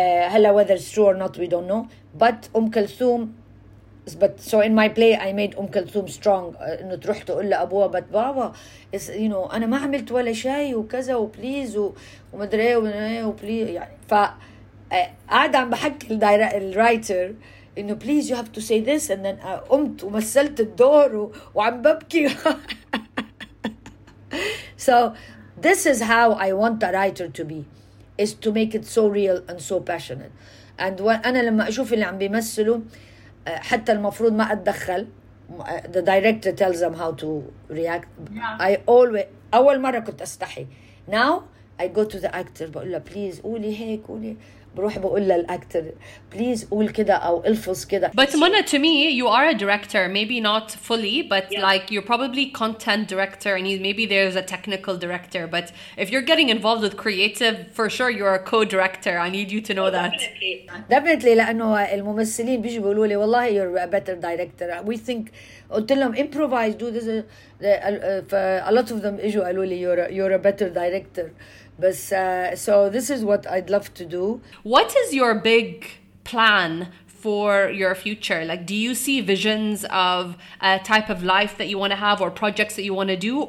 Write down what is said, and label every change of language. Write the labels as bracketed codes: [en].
[ar] هلا [en] whether it's true or not we don't know, [ar] but Umm Kulthum, [en] but so in my play I made Umm Kulthum strong, [ar] انه تروح تقول لأبوها, but بابا انا ما عملت ولا شيء وكذا وبليز ومدري وبليز, يعني فقعد عم بحكي الرايتر انه [en] please you have to say this, and then [ar] قمت ومثلت الدور وعم ببكي. [en] So this is how I want the writer to be, is to make it so real and so passionate. [ar] And انا لما اشوف اللي عم بيمثلوا, حتى المفروض ما اتدخل, [en] the director tells them how to react. Yeah. I always, [ar] اول مره كنت استحي, [en] now I go to the actor [ar] بقول له please قولي هيك قولي, بروح بقول للأكتر بليز قول كده أو الفظ كده. [en] But Mona, to me, you are a director, maybe not fully, but yeah. Like you're probably content director, and maybe there's a technical director. But if you're getting involved with creative, for sure you're a co-director. I need you to know that. [ar] Definitely, لأنه الممثلين بيجي بيقولوا لي والله [en] you're a better director. We think [ar] قلت لهم [en] improvise, do this. A lot of them [ar] إجوا قالوا لي [en] you're a better director. But so this is what I'd love to do. What is your big plan for your future? Like, do you see visions of a type of life that you want to have or projects that you want to do?